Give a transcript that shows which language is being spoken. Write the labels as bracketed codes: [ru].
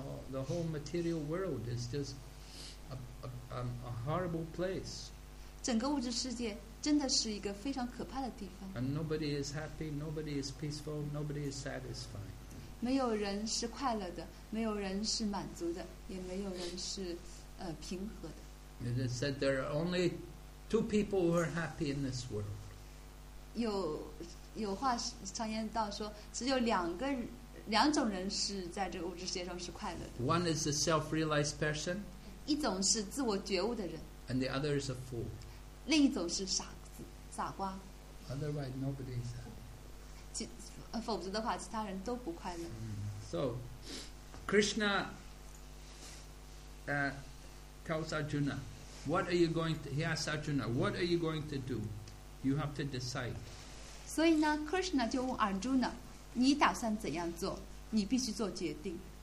[en] the whole material world is just a horrible place. [zh] 整个物质世界真的是一个非常可怕的地方。 [en] And nobody is happy, nobody is peaceful, nobody is satisfied. [zh] 没有人是快乐的，没有人是满足的，也没有人是平和的。 [en] It is said there are only two people who are happy in this world. [zh] 有话常言道说，只有两种人是在这个物质世界上是快乐的。 [en] One is a self-realized person. [zh] 一种是自我觉悟的人。 [en] And the other is a fool. [zh] 另一种是傻子、傻瓜。 [en] Otherwise, nobody is happy. [zh] 否则的话，其他人都不快乐。 [en] So, Krishna, tells Arjuna, "What are you going to?" He asks Arjuna, "What are you going to do? You have to decide." [zh] 所以呢 ，Krishna 就问 Arjuna， 你打算怎样做？你必须做决定。